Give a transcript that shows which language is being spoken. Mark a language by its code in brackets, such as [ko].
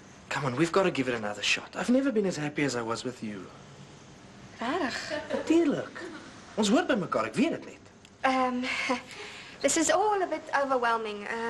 [en] Come on, we've got to give it another shot. I've never been as happy as I was with you. [af] Rarig. Natuurlijk. Ons hoort by mekaar, ek weet het net. [en] This is all a bit overwhelming.